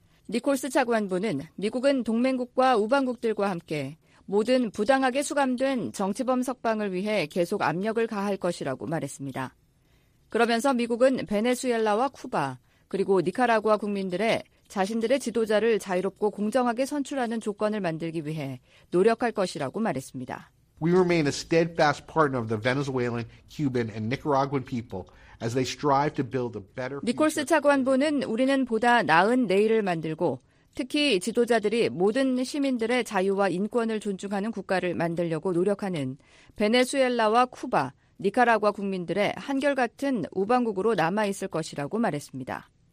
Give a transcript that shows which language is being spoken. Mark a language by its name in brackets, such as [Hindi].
[Korean] 니콜스 차관보는 미국은 동맹국과 우방국들과 함께 모든 부당하게 수감된 정치범 석방을 위해 계속 압력을 가할 것이라고 말했습니다. 그러면서 미국은 베네수엘라와 쿠바 그리고 니카라과 국민들의 자신들의 지도자를 자유롭고 공정하게 선출하는 조건을 만들기 위해 노력할 것이라고 말했습니다. [English] We remain a steadfast partner of the Venezuelan, Cuban, and Nicaraguan people as they strive to build a better. [Korean] 니콜스 차관보는 우리는 보다 나은 내일을 만들고 특히 지도자들이 모든 시민들의 자유와 인권을 존중하는 국가를 만들려고 노력하는 베네수엘라와 쿠바, 니카라과 국민들의 한결같은 우방국으로 남아 있을 것이라고 말했습니다.